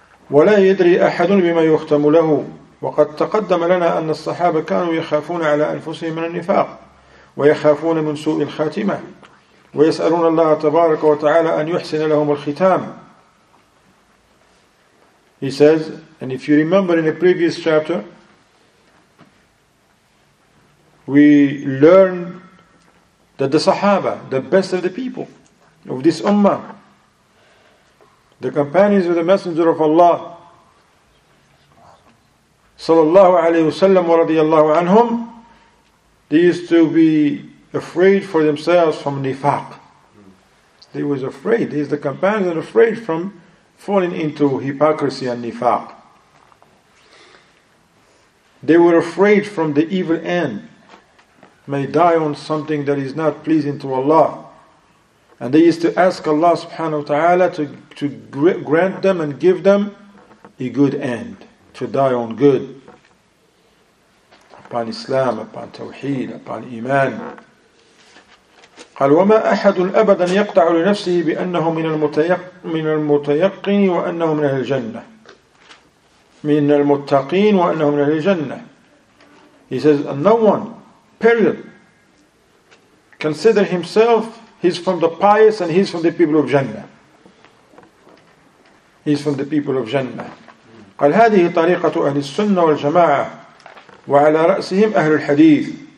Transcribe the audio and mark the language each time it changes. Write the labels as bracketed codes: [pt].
[ar] ولا يدري أحد بما يختم له وقد تقدم لنا أن الصحابة كانوا يخافون على أنفسهم من النفاق ويخافون من سوء الخاتمة ويسألون الله تبارك وتعالى أن يحسن لهم الختام. [en] He says, and if you remember in a previous chapter, we learned that the Sahaba, the best of the people of this Ummah, the companions of the Messenger of Allah sallallahu alayhi wasallam wa radiyallahu anhum, they used to be afraid for themselves from nifaq. They was afraid. These the companions are afraid from falling into hypocrisy and nifaq. They were afraid from the evil end. May die on something that is not pleasing to Allah. And they used to ask Allah subhanahu wa ta'ala to grant them and give them a good end, to die on good, upon Islam, upon Tawheed, upon Iman. [ar] قال وما أحد أبدا يقطع لنفسه بأنه من المتيقن وأنه من أهل الجنة من المتقين وأنه من أهل الجنة. [en] He says, no one, period, consider himself he's from the pious and he's from the people of Jannah. He's from the people of Jannah. [ar] قال هذه طريقة أهل السنة والجماعة وعلى رأسهم أهل الحديث.